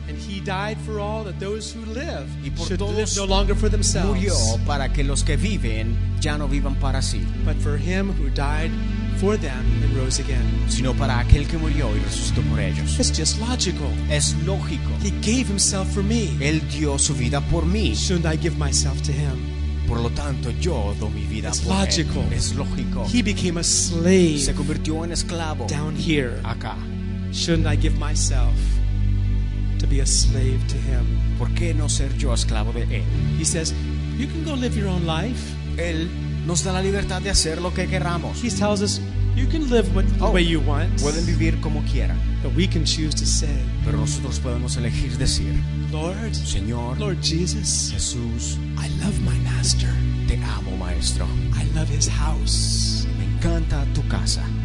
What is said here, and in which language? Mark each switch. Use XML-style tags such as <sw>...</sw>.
<en>And he died for all that those who live.</en> <es>Y por</es> <en>should</en> <es>todos</es> <en>live no longer for themselves.</en> <es>Murió para que los que viven ya no vivan para sí.</es> <en>But for him who died for them and rose again.</en> <es>Sino para aquel que murió y resucitó por ellos.</es> <en>It's just logical.</en> <es>Es lógico.</es> <en>He gave himself for me.</en> <es>Él dio su vida por mí.</es> <en>Shouldn't I give myself to him?</en> <es>Por lo tanto, yo doy mi vida</es> <en>it's</en> <es>por</es> <en>logical.</en> <es>Él. Es lógico.</es> <en>He became a slave.</en> <es>Se convirtió en esclavo.</es> <en>Down here.</en> <es>Acá.</es> <en>Shouldn't I give myself to be a slave to him?</en> <es>¿Por qué no ser yo esclavo de él?</es> <en>He says, you can go live your own life.</en> <es>Él nos da la libertad de hacer lo que queramos.</es> <en>He tells us, you can live what, the way you want.</en> <es>Pueden vivir como quieran.</es> <en>But we can choose to say.</en> <es>Pero nosotros podemos elegir decir.</es> <en>Lord.</en> <es>Señor.</es> <en>Lord Jesus.</en> <es>Jesús.</es> <en>I love my master.</en> <es>Te amo, maestro.</es> <en>I love his house.</en> <es>Me encanta tu casa.</es>